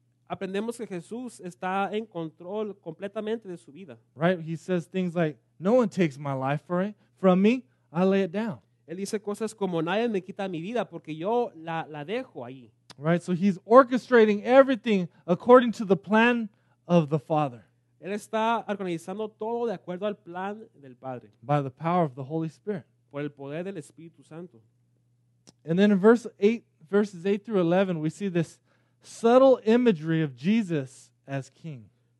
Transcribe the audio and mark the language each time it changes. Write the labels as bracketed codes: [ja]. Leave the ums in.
[es] Aprendemos que Jesús está en control completamente de su vida. [en] Right? He says things like no one takes my life for it. from me. I lay it down. [es] Él dice cosas como nadie me quita mi vida porque yo la, la dejo ahí. [en] Right, so he's orchestrating everything according to the plan of the Father. [es] Él está organizando todo de acuerdo al plan del Padre. [en] By the power of the Holy Spirit. [es] Por el poder del Espíritu Santo. [en] And then in verse 8, verses 8 through 11, we see this subtle imagery of Jesus as king.